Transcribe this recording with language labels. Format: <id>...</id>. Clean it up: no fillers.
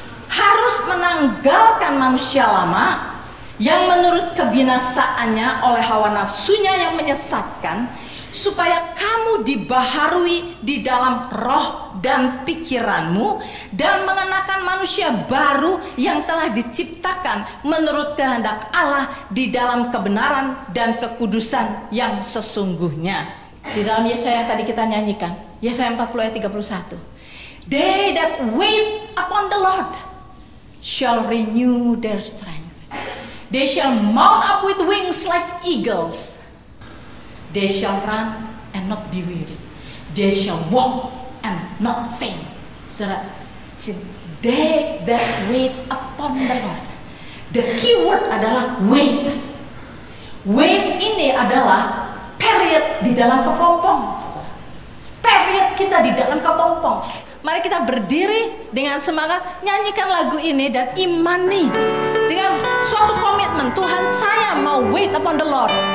<id>harus menanggalkan manusia lama yang menurut kebinasaannya oleh hawa nafsunya yang menyesatkan, supaya kamu dibaharui di dalam roh dan pikiranmu dan mengenakan manusia baru yang telah diciptakan menurut kehendak Allah di dalam kebenaran dan kekudusan yang sesungguhnya. Di dalam Yesaya yang tadi kita nyanyikan, Yesaya 40 ayat 31.</id> <en>They that wait upon the Lord shall renew their strength. They shall mount up with wings like eagles. They shall run and not be weary. They shall walk and not faint. Saudara, they that wait upon the Lord. The key word</en> <id>adalah</id> <en>wait.</en> <id>Wait ini adalah period di dalam kepompong. Period kita di dalam kepompong. Mari kita berdiri dengan semangat, nyanyikan lagu ini dan imani dengan suatu komitmen, Tuhan, saya mau</id> <en>wait upon the Lord.</en>